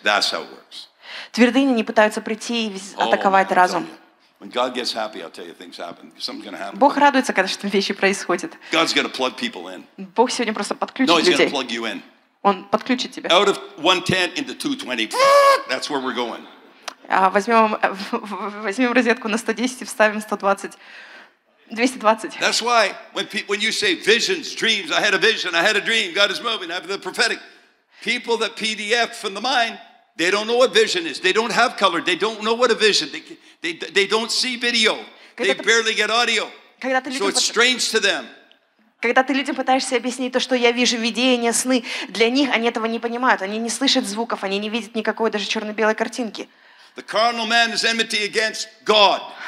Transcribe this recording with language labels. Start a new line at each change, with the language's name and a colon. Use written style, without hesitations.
English: That's how it works.
Russian: Твердыни не пытаются прийти и атаковать разум.
English: When God gets happy, I'll tell you things happen. Something's going to happen.
Russian: Бог радуется, когда что-то вещи происходит.
English: God's going to plug people in.
Russian: Бог сегодня просто подключит людей.
English: No, He's going to plug you in.
Russian: Он подключит тебя.
English: Out of 110 into 220. That's where we're going.
Russian: Возьмем розетку на 110 и вставим 220.
English: That's why when you say visions, dreams, I had a vision, I had a dream, God is moving, I have the prophetic. People that PDF from the mind, they don't know what vision is, they don't have color, they don't know what a vision, they don't see video, they barely get audio. So it's strange to them.
Russian: Когда ты людям пытаешься объяснить то, что я вижу видения, сны, для них они этого не понимают, они не слышат звуков, они не видят никакой даже черно-белой картинки.
English: The carnal man is enmity against God.